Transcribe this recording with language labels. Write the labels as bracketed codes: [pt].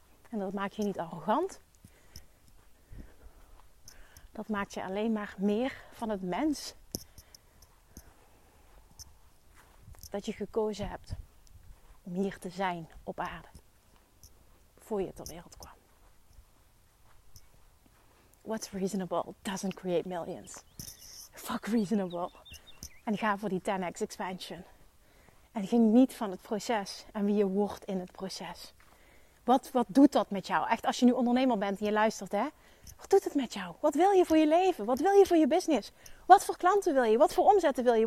[nl] En dat maakt je niet arrogant. Dat maakt je alleen maar meer van het mens dat je gekozen hebt om hier te zijn op aarde. Voor je ter wereld kwam. [en] What's reasonable doesn't create millions. Fuck reasonable. [nl] En ga voor die [en] 10x expansion. [nl] En geniet van het proces en wie je wordt in het proces. Wat doet dat met jou? Echt, als je nu ondernemer bent en je luistert, hè? Wat doet het met jou? Wat wil je voor je leven? Wat wil je voor je business? Wat voor klanten wil je? Wat voor omzetten wil je?